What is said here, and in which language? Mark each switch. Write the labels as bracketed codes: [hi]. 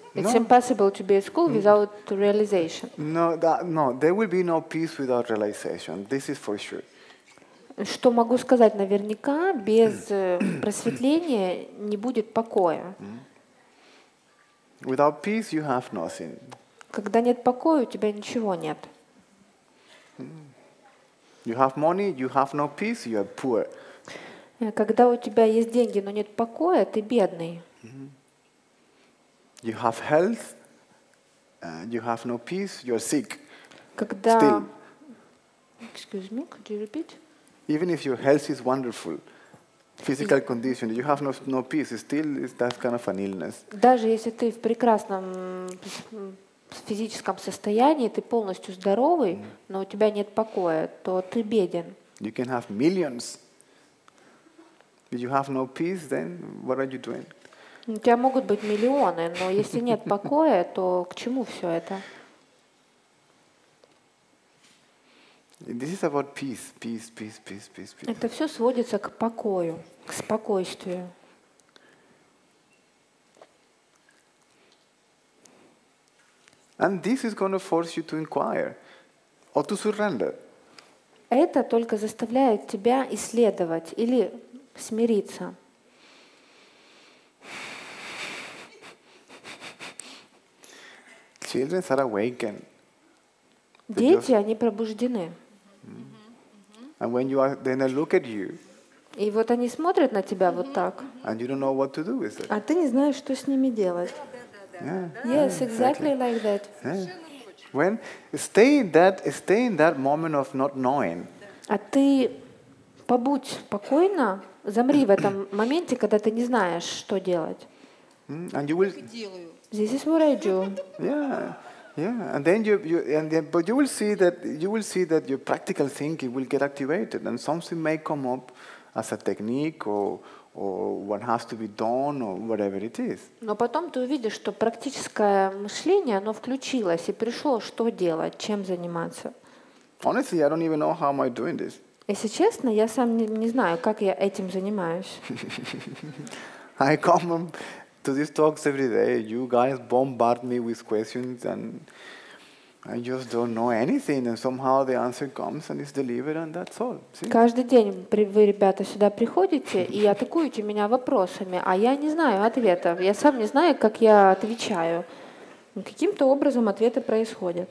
[en] It's impossible to be at school without realization. No, there will be no peace without realization. This is for sure. [ru] Что могу сказать наверняка, без просветления не будет покоя. [en] Without peace you have nothing. [ru] Когда нет покоя, у тебя ничего нет. [en] You have money, you have no peace, you are poor. [ru] Когда у тебя есть деньги, но нет покоя, ты бедный. [en] You have health, you have no peace, you're sick. [ru] Когда [en] still. Excuse me, could you repeat? Even if your health is wonderful, physical condition, you have no peace, it's that kind of an illness. [ru] Даже если ты в прекрасном физическом состоянии, ты полностью здоровый, но у тебя нет покоя, то ты беден. [en] You can have millions. If you have no peace, then what are you doing? [ru] У тебя могут быть миллионы, но если нет покоя, то к чему все это? [en] This is about peace. [ru] Это все сводится к покою, к спокойствию. [en] And this is going to force you to inquire or to surrender. [ru] Это только заставляет тебя исследовать или смириться. [en] Children are awakened. [ru] Дети, они пробуждены. [en] And when you are, then they look at you. [ru] И вот они смотрят на тебя вот так. [en] And you don't know what to do with it. [ru] А ты не знаешь, что с ними делать. [en] Yeah. Yes, exactly like that. Yeah. When stay in that moment of not knowing. [ru] А ты побудь спокойно, замри в этом моменте, когда ты не знаешь, что делать. [en] And you will. This is what I do. Yeah, and then you will see that your practical thinking will get activated, and something may come up as a technique or what has to be done or whatever it is. [ru] Но потом ты увидишь, что практическое мышление оно включилось и пришло, что делать, чем заниматься. [en] Honestly, I don't even know how am I doing this. [ru] Если честно, я сам не знаю, как я этим занимаюсь. [en] I come to these talks every day, you guys bombard me with questions, and I just don't know anything. And somehow the answer comes and is delivered, and that's all. See? [ru] Каждый день вы, ребята, сюда приходите и атакуете меня вопросами, а я не знаю ответов. Я сам не знаю, как я отвечаю. Каким-то образом ответы происходят.